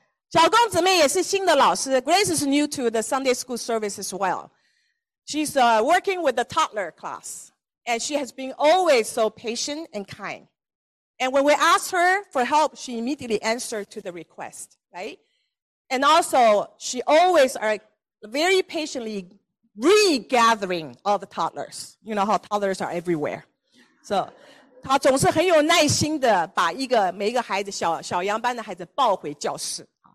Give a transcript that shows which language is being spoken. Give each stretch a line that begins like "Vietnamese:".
Chinese: 小公子妹也是新的老师。
English: Grace is new to the Sunday school service as well. She's working with the toddler class. And she has been always so patient and kind. And when we asked her for help, she immediately answered to the request, right? And also, she always are very patiently regathering all the toddlers. You know how toddlers are everywhere.
Chinese: So, 她总是很有耐心的把一个每一个孩子小小羊班的孩子抱回教室。